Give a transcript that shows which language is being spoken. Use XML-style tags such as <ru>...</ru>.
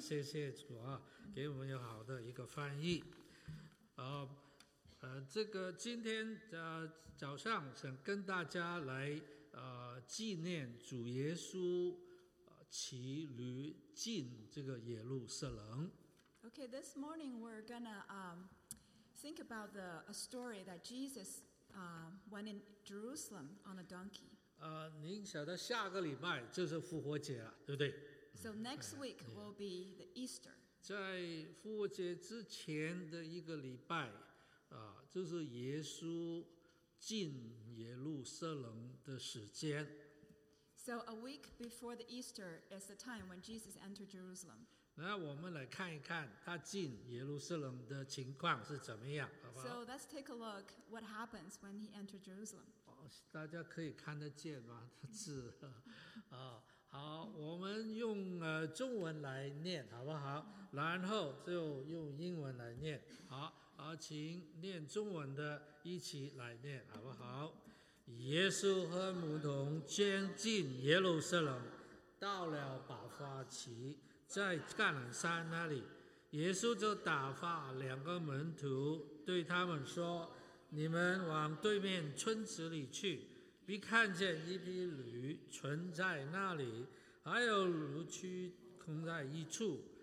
<zh>谢谢主啊，给我们有好的一个翻译。这个今天早上想跟大家来纪念主耶稣。骑驴进这个耶路撒冷。</zh> <en>Okay, this morning we're gonna think about a story that Jesus went in Jerusalem on a donkey.</en> <zh>您晓得下个礼拜就是复活节了，对不对</zh> <en>？So next week will be the Easter.</en> <zh>在复活节之前的一个礼拜，就是耶稣进耶路撒冷的时间。</zh> <en>So a week before the Easter is the time when Jesus entered Jerusalem.</en> <zh>那我们来看一看他进耶路撒冷的情况是怎么样，好不好</zh> <en>？So let's take a look what happens when he entered Jerusalem.</en> <zh>大家可以看得见吗？字啊，好，我们用中文来念，好不好？然后就用英文来念。好，请念中文的一起来念，好不好？耶稣和母童先进耶路撒冷，到了伯法其，在橄榄山那里，耶稣就打发两个门徒对他们说：“你们往对面村子里去，必看见一匹驴存在那里，还有驴驹空在一处。</zh>